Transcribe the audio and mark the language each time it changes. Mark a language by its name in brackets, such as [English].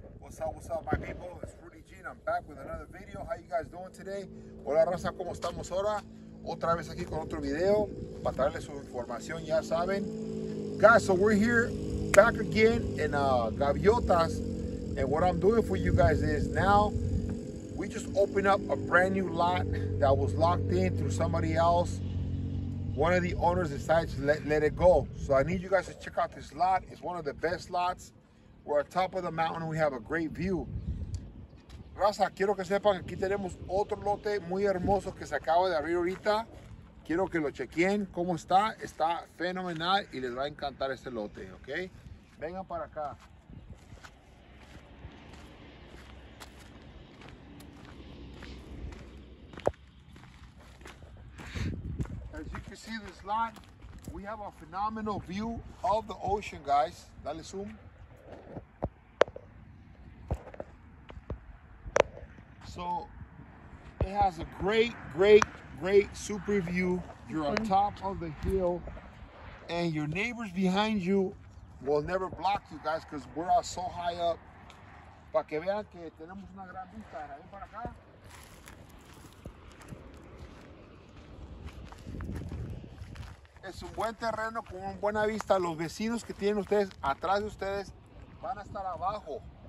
[English] It's Rudy G, and I'm back with another video. How you guys doing today? [Spanish] Hola, raza, ¿cómo estamos ahora? Otra vez aquí con otro video para traerles su información, ya saben. [English] Guys, so we're here back again in Gaviotas, and what I'm doing for you guys is now we just opened up a brand new lot that was locked in through somebody else. One of the owners decided to let it go. So I need you guys to check out this lot. It's one of the best lots. We're at the top of the mountain. We have a great view. [Spanish] Raza, quiero que sepan que aquí tenemos otro lote muy hermoso que se acaba de abrir ahorita. Quiero que lo chequen. ¿Cómo está? Está fenomenal y les va a encantar este lote, ¿ok? Vengan para acá. [English] As you can see this lot, we have a phenomenal view of the ocean, guys. [Spanish] Dale zoom. [English] So it has a great super view. You're on top of the hill and your neighbors behind you will never block you, guys, because we're all so high up. [Spanish] Para que vean que tenemos una gran vista. Ven para acá. Es un buen terreno con una buena vista. Los vecinos que tienen ustedes atrás de ustedes van a estar abajo.